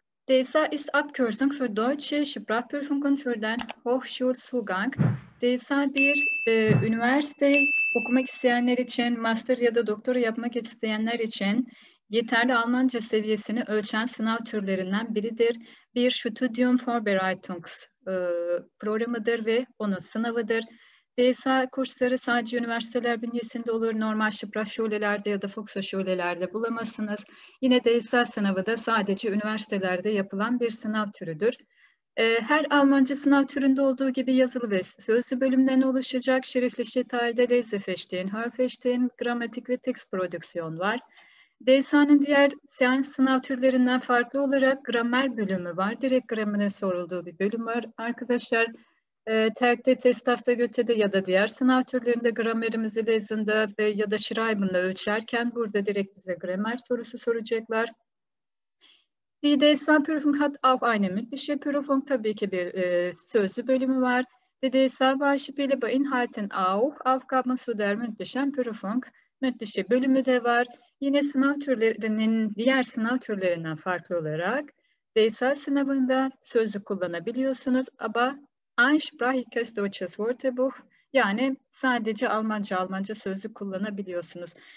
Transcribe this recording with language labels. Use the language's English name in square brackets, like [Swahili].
[German] DSA ist Abkürzung für Deutsche Sprachprüfungen für den Hochschulzugang. [Turkish] DSA bir üniversite okumak isteyenler için, master ya da doktora yapmak isteyenler için yeterli Almanca seviyesini ölçen sınav türlerinden biridir. Bir Studium Vorbereitungs programıdır ve onun sınavıdır. DSA kursları sadece üniversiteler bünyesinde olur. Normal Sprachschulelerde ya da Volkshochschulelerde bulamazsınız. Yine DSA sınavı da sadece üniversitelerde yapılan bir sınav türüdür. Her Almanca sınav türünde olduğu gibi yazılı ve sözlü bölümden oluşacak. [German] Schriftliche Teil der Lesefestin, Hörfestin, Gramatik [Turkish] ve Text Prodüksiyon var. DSA'nın diğer sınav türlerinden farklı olarak gramer bölümü var. Direkt gramere sorulduğu bir bölüm var. Arkadaşlar, TELK'te, TESTAF'ta, GÖTE'de ya da diğer sınav türlerinde gramerimizi lezında ve ya da Schreiben'le ölçerken burada direkt bize gramer sorusu soracaklar. [German] Die DSA-Prüfung hat auch eine mündliche Prüfung. [Turkish] Tabii ki bir sözlü bölümü var. [German] Die DSA-Beispiele beinhalten auch Aufgaben zu der mündlichen Prüfung. [Turkish] Mündliche bölümü de var. Yine sınav türlerinin diğer sınav türlerinden farklı olarak DSA sınavında sözlü kullanabiliyorsunuz. [German] Aber Einsprachiges deutsches Wörterbuch, [Turkish] yani sadece Almanca sözlü kullanabiliyorsunuz.